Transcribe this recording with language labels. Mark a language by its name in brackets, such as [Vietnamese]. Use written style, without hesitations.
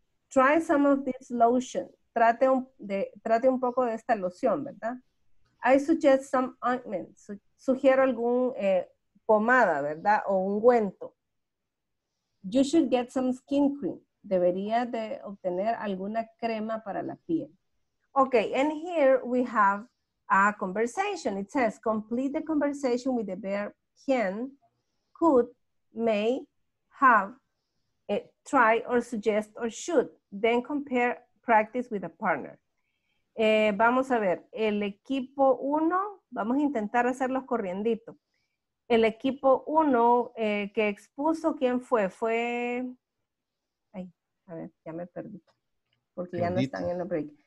[English] Try some of this lotion. [Spanish] Trate un poco de esta loción, ¿verdad? [English] I suggest some ointment. [Spanish] Sugiero algún pomada, ¿verdad? O ungüento. [English] You should get some skin cream. [Spanish] Debería de obtener alguna crema para la piel. [English] Okay, and here we have a conversation. It says, complete the conversation with the verb can, could, may, have, try, or suggest, or should. Then compare practice with a partner. [Spanish] Vamos a ver, el equipo 1, vamos a intentar hacerlos corriendito. El equipo 1 que expuso, ¿quién fue? Fue, ay, a ver, ya me perdí, porque Edith. Ya no están en la break.